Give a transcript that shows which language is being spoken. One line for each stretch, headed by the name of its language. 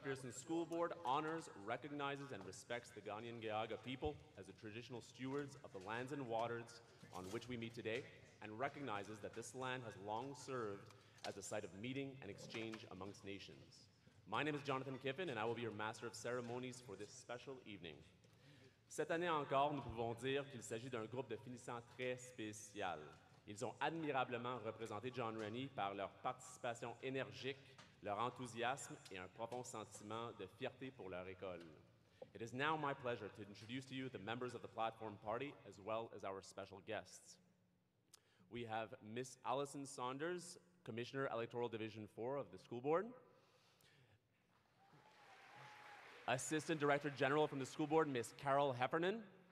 English: Pearson School Board honors, recognizes, and respects the Ganyangeaga people as the traditional stewards of the lands and waters on which we meet today, and recognizes that this land has long served as a site of meeting and exchange amongst nations. My name is Jonathan Kiffin, and I will be your master of ceremonies for this special evening.
French: Cette année encore, nous pouvons dire qu'il s'agit d'un groupe de finissants très spécial. Ils ont admirablement représenté John Rennie par leur participation énergique, leur enthousiasme et un profond sentiment de fierté pour leur école.
English: It is now my pleasure to introduce to you the members of the platform party as well as our special guests. We have Miss Allison Saunders, Commissioner, Electoral Division 4 of the School Board. Assistant Director General from the School Board, Ms. Carol Heffernan.